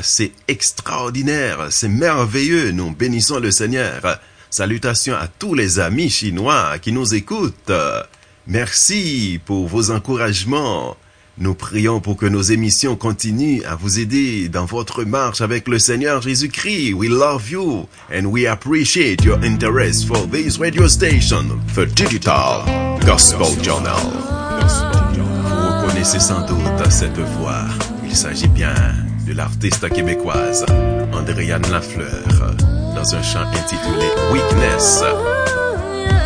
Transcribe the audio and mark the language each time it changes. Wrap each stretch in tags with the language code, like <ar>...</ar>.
<fr>C'est extraordinaire, c'est merveilleux, nous bénissons le Seigneur. Salutations à tous les amis chinois qui nous écoutent. Merci pour vos encouragements. Nous prions pour que nos émissions continuent à vous aider dans votre marche avec le Seigneur Jésus-Christ.</fr> <en>We love you and we appreciate your interest for this radio station, the Digital Gospel Journal.</en> <fr>Vous connaissez sans doute cette voix. Il s'agit bien de l'artiste québécoise Andréane Lafleur dans un chant intitulé « Weakness ».</fr>